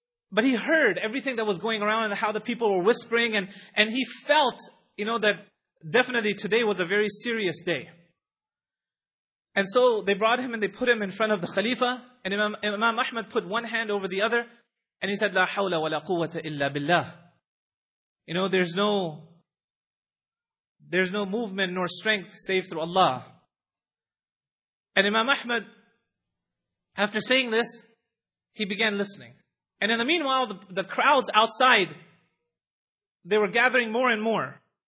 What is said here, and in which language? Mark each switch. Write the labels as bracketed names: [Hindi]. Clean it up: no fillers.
[English] But he heard everything that was going around and how the people were whispering. And he felt, you know, that definitely today was a very serious day. And so they brought him and they put him in front of the Khalifa. And Imam Ahmad put one hand over the other. And he said, [Arabic] لا حول ولا قوة إلا بالله. [English] You know, there's no movement nor strength save through Allah. And Imam Ahmad, after saying this, he began listening. And in the meanwhile, the crowds outside, they were gathering more and more.